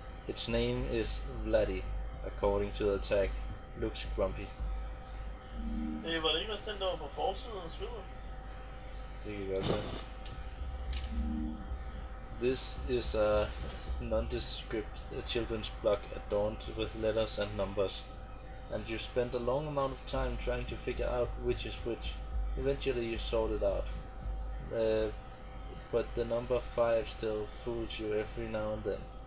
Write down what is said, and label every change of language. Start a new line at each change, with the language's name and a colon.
English: Its name is Vladdy, according to the tag. Looks grumpy.
Danish: Hey, var det ikke også den der på forsiden af spillet? Det kan godt være.
English: This is a nondescript children's block adorned with letters and numbers, and you spent a long amount of time trying to figure out which is which. Eventually you sort it out. But the number 5 still fools you every now and then.